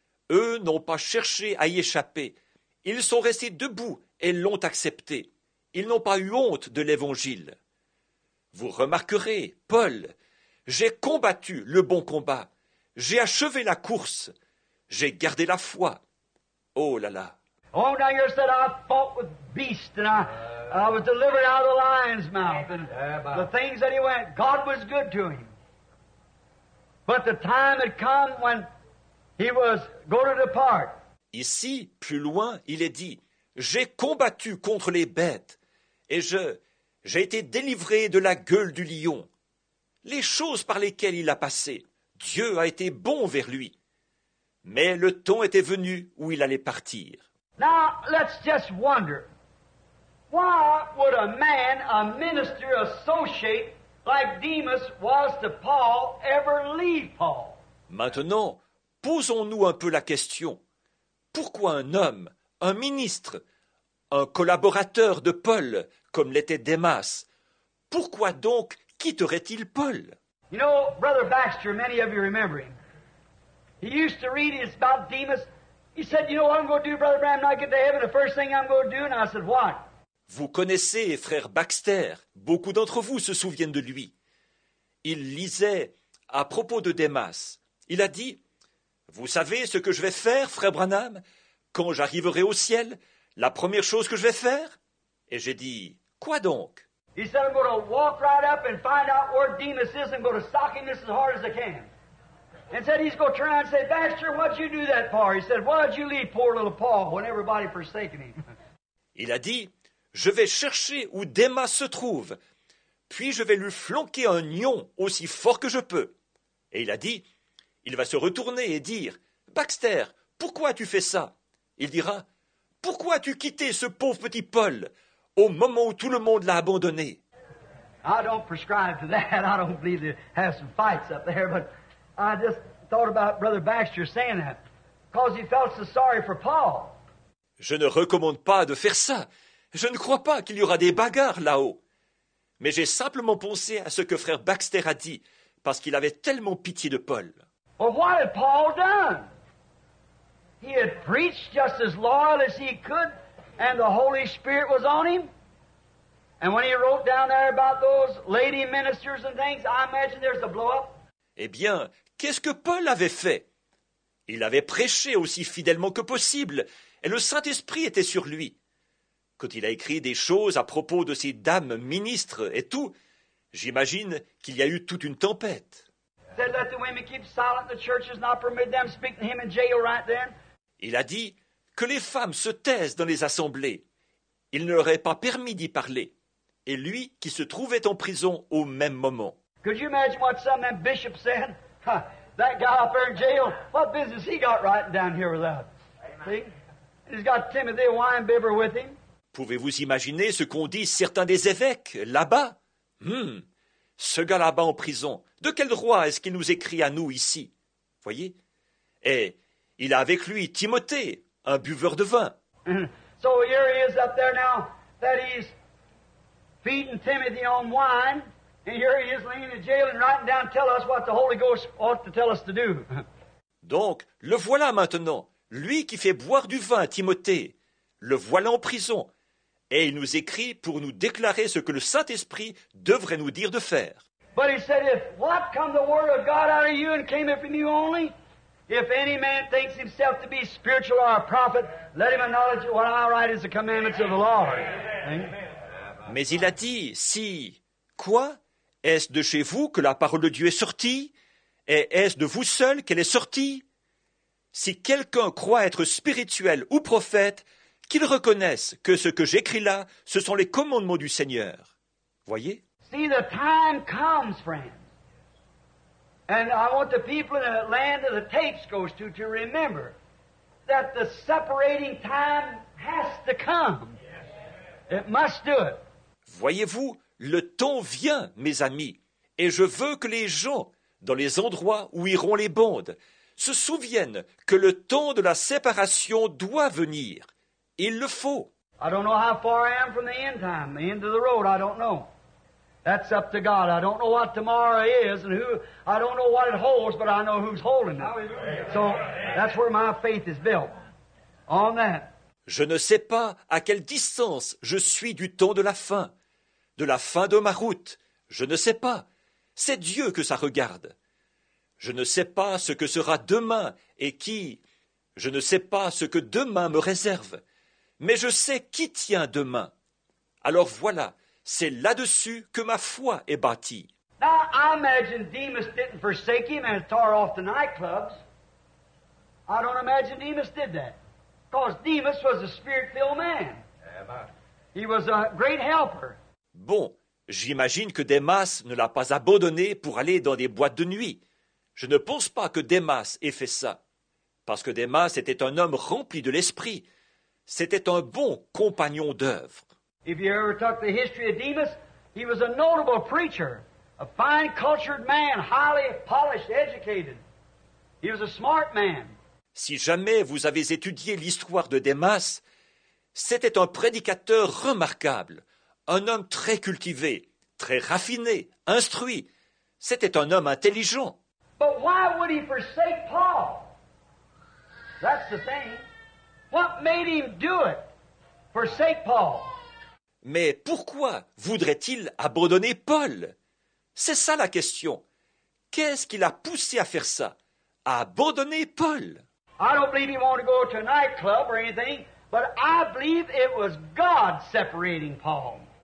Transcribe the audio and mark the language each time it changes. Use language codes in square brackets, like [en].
[fr] Eux n'ont pas cherché à y échapper. Ils sont restés debout et l'ont accepté. Ils n'ont pas eu honte de l'Évangile. Vous remarquerez, Paul, j'ai combattu le bon combat. J'ai achevé la course. J'ai gardé la foi. Oh là là. [en] Oh, now you said I fought with beasts and I was delivered out of the lion's mouth. And the things that he went, God was good to him. But the time had come when he was going to depart. [fr] Ici, plus loin, il est dit, j'ai combattu contre les bêtes et j'ai été délivré de la gueule du lion. Les choses par lesquelles il a passé, Dieu a été bon vers lui. Mais le temps était venu où il allait partir. [en] Now, let's just wonder, why would a man, a minister, associate like Demas was to Paul, ever leave Paul? [fr] Maintenant, posons-nous un peu la question. Pourquoi un homme, un ministre, un collaborateur de Paul, comme l'était Démas, pourquoi donc quitterait-il Paul? [en] You know, Brother Baxter, many of you remember him. He used to read it about Demas. He said, you know what I'm going to do, Brother Bram, when I get to heaven, the first thing I'm going to do, and I said, what? [fr] Vous connaissez Frère Baxter. Beaucoup d'entre vous se souviennent de lui. Il lisait à propos de Demas. Il a dit, « Vous savez ce que je vais faire, frère Branham, quand j'arriverai au ciel, la première chose que je vais faire ?» Et j'ai dit, « Quoi donc ?» [en] He said, I'm going to walk right up and find out where Demas is and go to stalk him just as hard as I can. And said, he's going to turn around and say, Baxter, what'd you do that for? He said, why'd you leave poor little Paul when everybody forsaken him? [fr] Il a dit, je vais chercher où Demas se trouve, puis je vais lui flanquer un nion aussi fort que je peux. Et il a dit, il va se retourner et dire, Baxter, pourquoi as-tu fait ça? Il dira, pourquoi as-tu quitté ce pauvre petit Paul au moment où tout le monde l'a abandonné? [en] I don't prescribe to that. I don't believe they have some fights up there, but I just thought about Brother Baxter saying that because he felt so sorry for Paul. [fr] Je ne recommande pas de faire ça. Je ne crois pas qu'il y aura des bagarres là-haut. Mais j'ai simplement pensé à ce que frère Baxter a dit parce qu'il avait tellement pitié de Paul. [en] Well, what had Paul done? He had preached just as loyal as he could. And the Holy Spirit was on him. And when he wrote down there about those lady ministers and things, I imagine there's a blow-up. [fr] Eh bien, qu'est-ce que Paul avait fait? Il avait prêché aussi fidèlement que possible, et le Saint-Esprit était sur lui. Quand il a écrit des choses à propos de ces dames ministres et tout, j'imagine qu'il y a eu toute une tempête. [en] Said, let the women keep silent, the church has not permitted them speaking to him in jail right then. [fr] Il a dit, que les femmes se taisent dans les assemblées. Il ne leur est pas permis d'y parler. Et lui, qui se trouvait en prison au même moment. [en] Could you imagine what some of them bishops said? That guy up there in jail, what business he got writing down here with us? See? He's got Timothy Winebibber with him. [fr] Pouvez-vous imaginer ce qu'ont dit certains des évêques là-bas? Ce gars là-bas en prison, de quel droit est-ce qu'il nous écrit à nous ici? Voyez? Et il a avec lui Timothée. Un buveur de vin. [en] So here he is up there now that he's feeding Timothy on wine, and here he is laying in jail and writing down, tell us what the Holy Ghost ought to tell us to do. [fr] Donc, le voilà maintenant, lui qui fait boire du vin à Timothée. Le voilà en prison, et il nous écrit pour nous déclarer ce que le Saint-Esprit devrait nous dire de faire. [en] But he said, if what come the word of God out of you and came from you only? If any man thinks himself to be spiritual or a prophet, let him acknowledge what I write is the commandments of the Lord. [fr] Mais il a dit, si, quoi, est-ce de chez vous que la parole de Dieu est sortie? Et est-ce de vous seul qu'elle est sortie? Si quelqu'un croit être spirituel ou prophète, qu'il reconnaisse que ce que j'écris là, ce sont les commandements du Seigneur. Voyez? [en] See, the time comes, friends. And I want the people in the land that the tapes goes to remember that the separating time has to come. It must do it. [fr] Voyez-vous, le temps vient, mes amis, et je veux que les gens, dans les endroits où iront les bandes, se souviennent que le temps de la séparation doit venir. Il le faut. [en] I don't know how far I am from the end time, the end of the road, I don't know. That's up to God. I don't know what tomorrow is and who I don't know what it holds, but I know who's holding it. Hallelujah. So that's where my faith is built. On that. [fr] Je ne sais pas à quelle distance je suis du temps de la fin de ma route. Je ne sais pas. C'est Dieu que ça regarde. Je ne sais pas ce que sera demain et qui. Je ne sais pas ce que demain me réserve. Mais je sais qui tient demain. Alors voilà. C'est là-dessus que ma foi est bâtie. [en] Now, I imagine Demas didn't forsake him and tore off the nightclubs. I don't imagine Demas did that. Because Demas was a spirit-filled man. He was a great helper. [fr] Bon, j'imagine que Demas ne l'a pas abandonné pour aller dans des boîtes de nuit. Je ne pense pas que Demas ait fait ça. Parce que Demas était un homme rempli de l'esprit. C'était un bon compagnon d'œuvre. [en] If you ever took the history of Demas, he was a notable preacher, a fine cultured man, highly polished, educated. He was a smart man. [fr] Si jamais vous avez étudié l'histoire de Demas, c'était un prédicateur remarquable, un homme très cultivé, très raffiné, instruit. C'était un homme intelligent. [en] But why would he forsake Paul? That's the thing. What made him do it? Forsake Paul. [fr] Mais pourquoi voudrait-il abandonner Paul? C'est ça la question. qu'est-ce qui l'a poussé à faire ça, à abandonner Paul? [en] I don't believe he wanted to go to a nightclub or anything, but I believe it was God separating Paul.